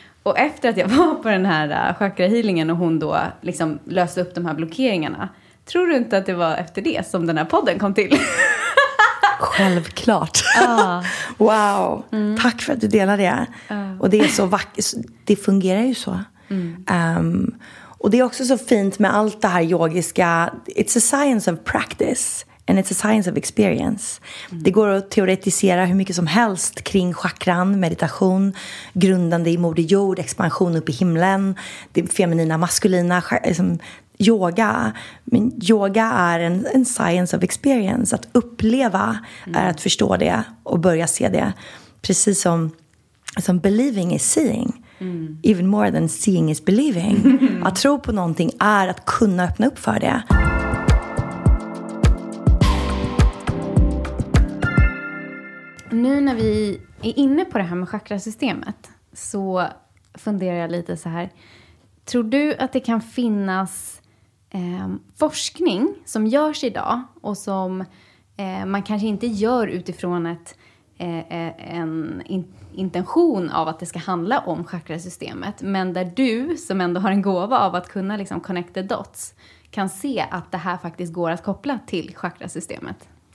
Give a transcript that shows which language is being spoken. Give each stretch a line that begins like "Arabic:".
Swedish: Och efter att jag var på den här chakrahealingen och hon då liksom löste upp de här blockeringarna, tror du inte att det var efter det som den här podden kom till? Självklart. Wow. Mm. Tack för att du delade det. Och det är så vackert. Det fungerar ju så. Mm. Och det är också så fint med allt det här yogiska.
English: It's a science of practice. And it's a science of experience.
Swedish: Mm. Det går att teoretisera hur mycket som helst kring chakran, meditation, grundande i moder jord, expansion upp i himlen, det feminina, maskulina, liksom, yoga. Men yoga är en
English: science of experience.
Swedish: Att uppleva är att förstå det och börja se det. Precis som
English: believing is seeing.
Swedish: Mm.
English: Even more than seeing is believing.
Swedish: Att tro på någonting är att kunna öppna upp för det. Nu när vi är inne på det här med chakrasystemet så funderar jag lite så här. Tror du att det kan finnas forskning som görs idag och som man kanske inte gör utifrån en intention av att det ska handla om chakrasystemet, men där du som ändå har en gåva av att kunna liksom
English: connect the dots
Swedish: kan se att det här faktiskt går att koppla till chakrasystemet?